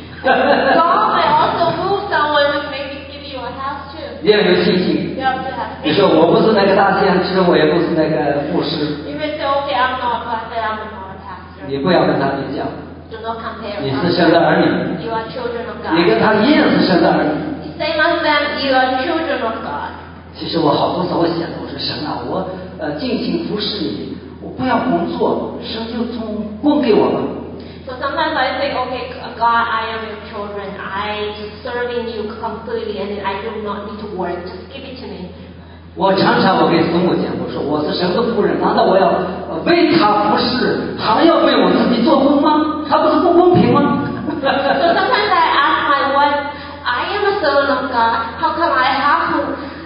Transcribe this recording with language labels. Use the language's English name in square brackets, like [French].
[English] God may also move someone to maybe give you a house too. [Chinese] 你要有信心。 [English] You have to have faith. [Chinese] 你说我不是那个大先知，我也不是那个牧师。 [English] You may say, okay, I'm not a pastor, I'm not a pastor. [Chinese] 你不要跟他比较。 [English] Do not compare. [Chinese] 你是神的儿女。 [English] You are children of God. [Chinese] 你跟他一样是神的儿女。 [English] Same as them, you are children of God. [Chinese] 其实我好多时候我想，我说神啊，我尽心服侍你，我不要工作，神就从供给我吧。 [English] So sometimes I think, okay, God, I am your children, I just serving you completely, and I do not need to work, just give it to me. [Chinese] 我常常我跟孙母讲，我说我是神的仆人，难道我要为他服侍，还要为我自己做工吗？他不是不公平吗？ [English] So sometimes I ask my wife, I am a servant of God, how come I have to?